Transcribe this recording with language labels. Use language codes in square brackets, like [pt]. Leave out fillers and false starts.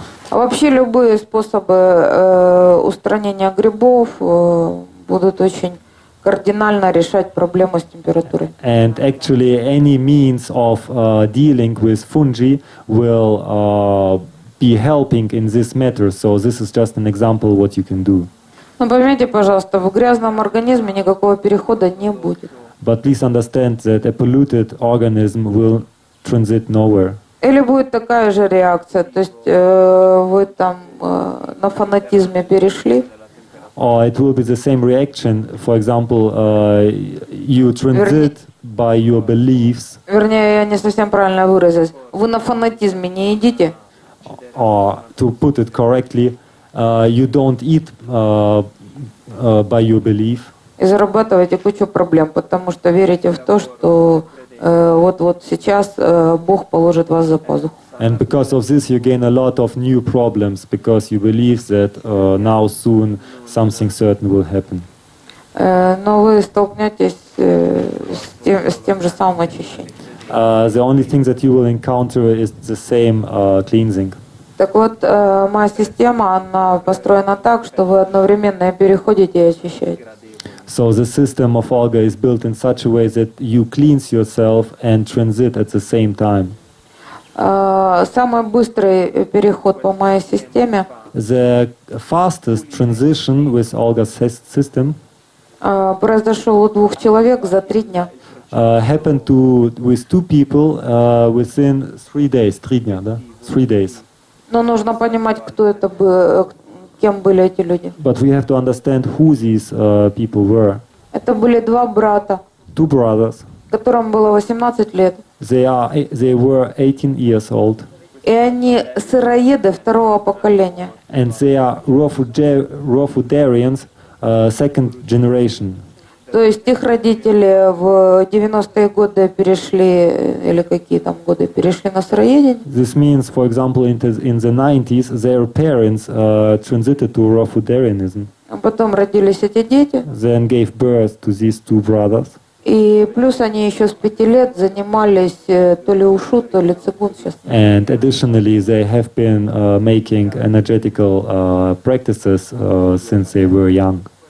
[ru] Вообще любые способы устранения грибов будут очень кардинально решать проблему с температурой. [en] And actually any means of dealing with fungi will be helping in this matter. So this is just an example what you can do. [ru] Но поймите, пожалуйста, в грязном организме никакого перехода не будет. [en] But please understand that a polluted organism will transit nowhere. [ru] Или будет такая же реакция, то есть вы там на фанатизме перешли. [en] Or it will be the same reaction, for example, you transit by your beliefs. [ru] Вернее, я не совсем правильно выразилась. Вы на фанатизме не едите? [en] Or, to put it correctly, you don't eat by your belief. [ru] И зарабатываете кучу проблем, потому что верите в то, что вот-вот сейчас Бог положит вас за пазуху. [en] And because of this, you gain a lot of new problems because you believe that now soon something certain will happen. [ru] Но вы столкнетесь с тем же самым очищением. [en] The only thing that you will encounter is the same cleansing. [ru] Так вот, моя система, она построена так, что вы одновременно переходите и очищаете. [en] So the system of Olga is built in such a way that you cleanse yourself and transit at the same time. [ru] Самый быстрый переход по моей системе. [en] The fastest transition with Olga's system. [ru] Произошел у двух человек за три дня. [en] Happened to with two people within three days. Three days. [ru] Но нужно понимать, кто это кем были эти люди. [en] But we have to understand who these people were. [ru] Это были два брата. [en] Two brothers. [ru] Которым было 18 лет. [en] They were 18 years old. [ru] И они сыроеды второго поколения. [en] And they are Rofudarians, second generation. [ru] То есть их родители в 90-е годы перешли, или какие там годы, перешли на сыроедение. [en] This means, for example, in the 90s, their parents transited to Rofudarianism. [ru] А потом родились эти дети. [en] Then gave birth to these two brothers. [ru] И плюс они еще с 5 лет занимались то ли ушу, то ли цигун, честно. [en] And additionally, they have been making energetical practices since they were young.